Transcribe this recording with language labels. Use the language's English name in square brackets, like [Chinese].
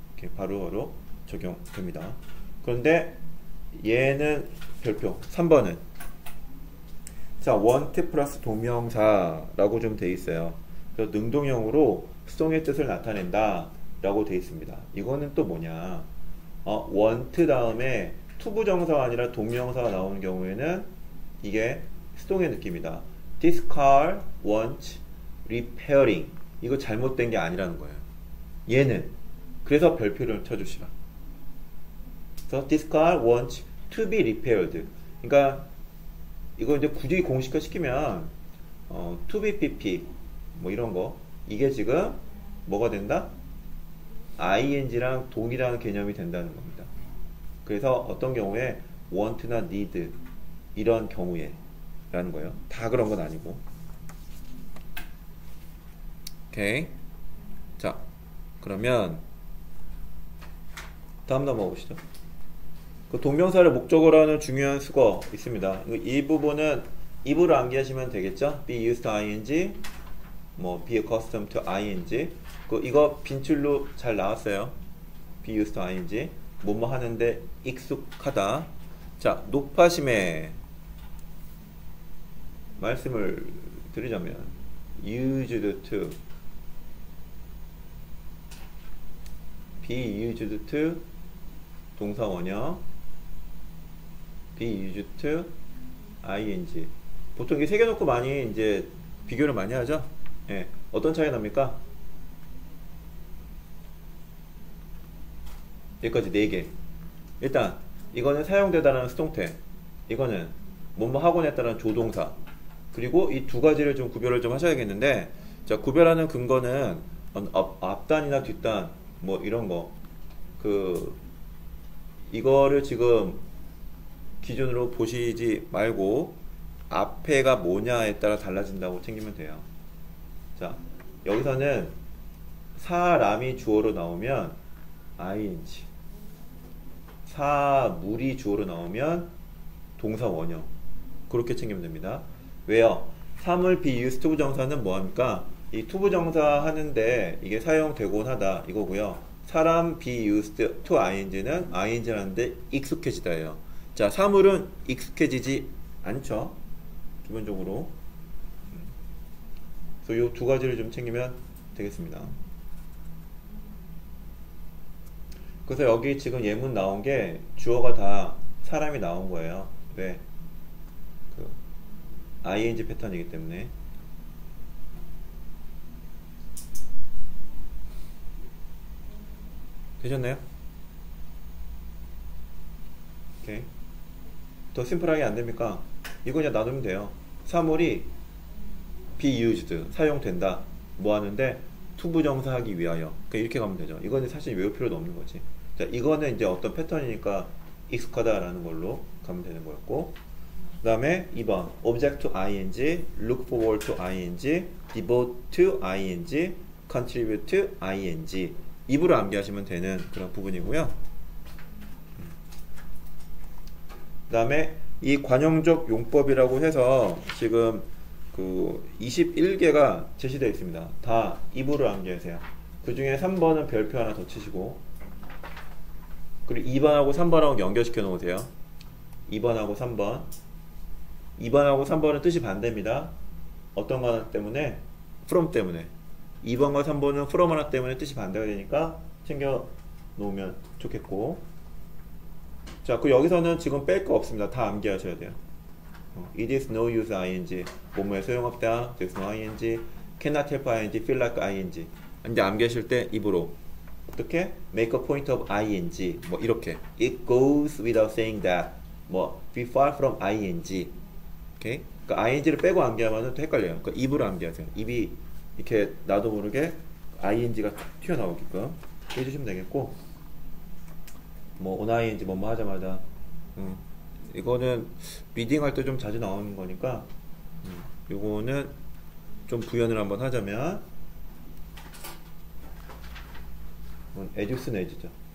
[Korean] 이렇게 바로 적용됩니다. 그런데 얘는 별표, 3번은 자, want 플러스 동명사라고 좀 돼 있어요. 그래서 능동형으로 수동의 뜻을 나타낸다라고 돼 있습니다. 이거는 또 뭐냐? want 다음에 투부정사가 아니라 동명사가 나오는 경우에는 이게 수동의 느낌이다. [English] This car wants repairing. [Korean] 이거 잘못된 게 아니라는 거예요. 얘는 그래서 별표를 쳐주시라. [English] So this car wants to be repaired. [Korean] 그러니까 이거 이제 굳이 공식화 시키면 to be pp 뭐 이런 거, 이게 지금 뭐가 된다? ing랑 동일한 개념이 된다는 겁니다. 그래서 어떤 경우에 want나 need 이런 경우에 라는 거예요. 다 그런 건 아니고. 오케이. 자, 그러면 다음 넘어보시죠. 그 동명사를 목적으로 하는 중요한 수거 있습니다. 이 부분은 if로 암기하시면 되겠죠? [English] be used to ing, 뭐 be accustomed to ing. [Korean] 그 이거 빈출로 잘 나왔어요. [English] be used to ing. [Korean] 뭐뭐 하는데 익숙하다. 자, 높아심에 말씀을 드리자면 used to, be used to 동사 원형, be used to ing. 보통 이 세 개 놓고 많이 이제 비교를 많이 하죠. 예, 어떤 차이 납니까? 여기까지 네 개. 일단 이거는 사용되다라는 수동태, 이거는 뭐뭐 하곤 했다라는 조동사. 그리고 이 두 가지를 좀 구별을 좀 하셔야겠는데, 자, 구별하는 근거는 앞단이나 뒷단 뭐 이런 거, 그 이거를 지금 기준으로 보시지 말고 앞에가 뭐냐에 따라 달라진다고 챙기면 돼요. 자, 여기서는 사람이 주어로 나오면 ing, 사물이 주어로 나오면 동사 원형, 그렇게 챙기면 됩니다. 왜요? 사물 be used 투부정사는 뭐합니까? 이 투부정사 하는데 이게 사용되곤 하다 이거고요. 사람 be used to ing는 ing라는데 익숙해지다예요. 자, 사물은 익숙해지지 않죠, 기본적으로. 그래서 요 두 가지를 좀 챙기면 되겠습니다. 그래서 여기 지금 예문 나온 게 주어가 다 사람이 나온 거예요. 왜? 그 ing 패턴이기 때문에. 되셨나요? 오케이. 더 심플하게 안 됩니까? 이거 그냥 나누면 돼요. 사물이 be used, 사용된다. 뭐 하는데? 투부 정사하기 위하여. 이렇게 가면 되죠. 이거는 사실 외울 필요도 없는 거지. 자, 이거는 이제 어떤 패턴이니까 익숙하다라는 걸로 가면 되는 거였고. 그 다음에 2번. [English] Object to ing, look forward to ing, devote to ing, contribute to ing. [Korean] 입으로 암기하시면 되는 그런 부분이고요. 그다음에 이 관용적 용법이라고 해서 지금 그 21개가 제시되어 있습니다. 다 입으로 암기하세요. 그 중에 3번은 별표 하나 더 치시고, 그리고 2번하고 3번하고 연결시켜 놓으세요. 2번하고 3번. 2번하고 3번은 뜻이 반대입니다. 어떤 거 하나 때문에? from 때문에. 2번과 3번은 from 하나 때문에 뜻이 반대가 되니까 챙겨 놓으면 좋겠고. 자, 그 여기서는 지금 뺄거 없습니다. 다 암기하셔야 돼요. [English] It is no use ing. [Korean] 뭐뭐에 소용없다. [English] There's no ing. Cannot help ing. Feel like ing. [Korean] 이제 암기하실 때 입으로. 어떻게? [English] Make a point of ing. [Korean] 뭐 이렇게. [English] It goes without saying that. 뭐, be far from ing. 오케이? [Korean] 그 ing를 빼고 암기하면 또 헷갈려요. 그 입으로 암기하세요. 입이 이렇게 나도 모르게 ing가 튀어나오게끔 해주시면 되겠고. 뭐, on ing, 뭐, 뭐 하자마자. 이거는 리딩 할때좀 자주 나오는 거니까, 요거는 좀 부연을 한번 하자면, 에듀스는 에듀죠.